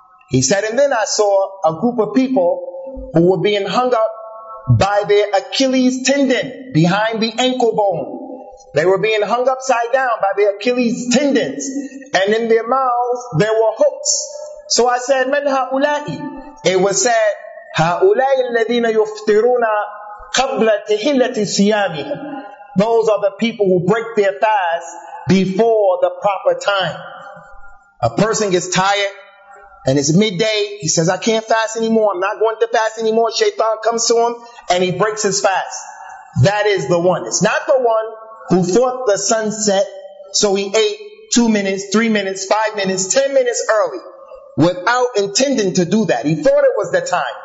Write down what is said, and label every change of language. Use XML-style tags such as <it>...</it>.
<en>He said, and then I saw a group of people who were being hung up by their Achilles tendon behind the ankle bone. They were being hung upside down by their Achilles tendons, and in their mouths there were hooks. So I said,</en> <ar>من هؤلاء?</ar> <en>It was said,</en> <ar>هؤلاء الذين يفطرون قبل تحلة صيامهم.</ar> <en>Those are the people who break their fast before the proper time. A person gets tired and it's midday. He says, I can't fast anymore. I'm not going to fast anymore. Shaitan comes to him and he breaks his fast. That is the one. It's not the one who fought the sunset, so he ate 2 minutes, 3 minutes, 5 minutes, 10 minutes early without intending to do that. He thought it was the time.</en>